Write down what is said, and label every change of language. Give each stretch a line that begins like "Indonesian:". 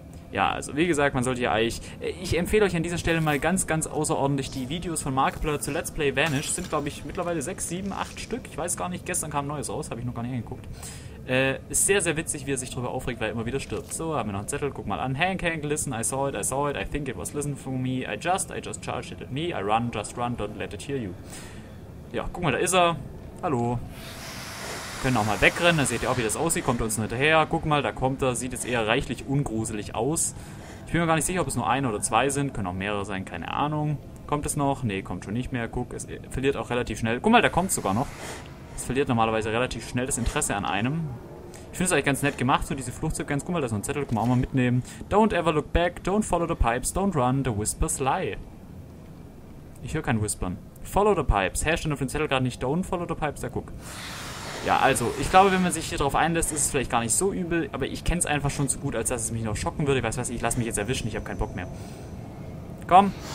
German: Ja, also wie gesagt, man sollte ja eigentlich. Ich empfehle euch an dieser Stelle mal ganz, ganz außerordentlich die Videos von Markiplier zu Let's Play Vanish. Sind, glaube ich, mittlerweile 6, 7, 8 Stück. Ich weiß gar nicht, gestern kam ein neues raus, habe ich noch gar nicht angeguckt. Ist sehr, sehr witzig, wie er sich darüber aufregt, weil er immer wieder stirbt. So, haben wir noch einen Zettel, guck mal an.
English: Hank, Hank, listen, I saw it, I think it was listen for me. I just charged it at me. I run, just run, don't let it hear you.
German: Ja, guck mal, da ist er. Hallo. Können auch mal wegrennen, dann seht ihr auch, wie das aussieht. Kommt uns nicht her. Guck mal, da kommt er. Sieht jetzt eher reichlich ungruselig aus. Ich bin mir gar nicht sicher, ob es nur ein oder zwei sind. Können auch mehrere sein, keine Ahnung. Kommt es noch? Nee, kommt schon nicht mehr. Guck, es verliert auch relativ schnell. Guck mal, da kommt es sogar noch. Es verliert normalerweise relativ schnell das Interesse an einem. Ich finde es eigentlich ganz nett gemacht, so diese Fluchtsequenz. Guck mal, da ist so ein Zettel, können wir auch mal mitnehmen.
English: Don't ever look back, don't follow the pipes, don't run, the whispers lie.
German: Ich höre kein Whispern.
English: Follow the pipes.
German: Herr stand auf dem Zettel gerade nicht,
English: don't follow the pipes,
German: da guck. Ja, also, ich glaube, wenn man sich hier drauf einlässt, ist es vielleicht gar nicht so übel, aber ich kenne es einfach schon zu gut, als dass es mich noch schocken würde. Ich weiß was, ich lasse mich jetzt erwischen, ich habe keinen Bock mehr. Komm.